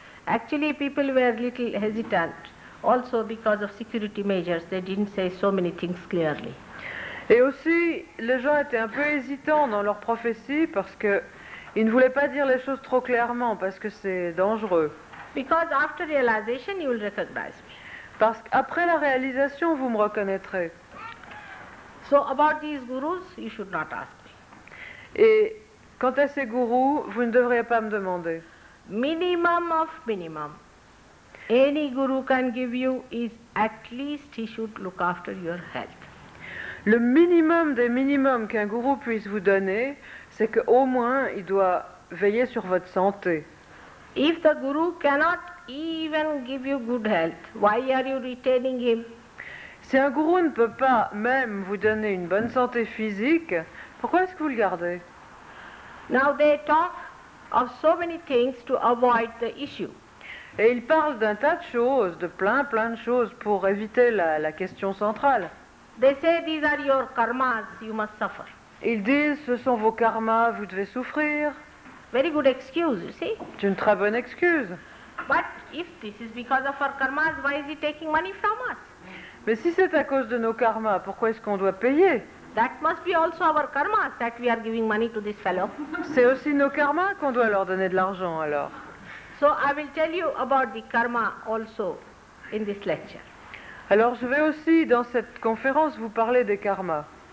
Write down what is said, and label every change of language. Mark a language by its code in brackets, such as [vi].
[en] Actually, people were a little hesitant, also because of security measures. They didn't say so many things clearly. [fr] Et aussi, les gens étaient un peu hésitants dans leur prophétie parce que ils ne voulaient pas dire les choses trop clairement parce que c'est dangereux. [en] Because after realization, you will recognize me. [fr] Parce qu'après la réalisation, vous me reconnaîtrez. [en] So about these gurus, you should not ask me. [fr] Et quant à ces gurus, vous ne devriez pas me demander. [en] Minimum of minimum. Any guru can give you is at least he should look after your health. [fr] Le minimum des minimums qu'un gourou puisse vous donner, c'est qu'au moins il doit veiller sur votre santé. [en] If the guru cannot even give you good health, why are you retaining him? [fr] Si un gourou ne peut pas même vous donner une bonne santé physique, pourquoi est-ce que vous le gardez? [en] Now they talk of so many things to avoid the issue. [fr] Et ils parlent d'un tas de choses, de plein de choses pour éviter la question centrale. [en] They say these are your karmas, you must suffer. [fr] Ils disent, ce sont vos karmas, vous devez souffrir. [en] Very good excuse, you see. [fr] C'est une très bonne excuse. [en] But if this is because of our karmas, why is he taking money from us? [fr] Mais si c'est à cause de nos karmas, pourquoi est-ce qu'on doit payer? [en] That must be also our karmas, that we are giving money to this fellow. [fr] C'est aussi nos karmas qu'on doit leur donner de l'argent, alors. [en] So I will tell you about the karma also in this lecture. [fr] Alors, je vais aussi, dans cette conférence, vous parler des karmas.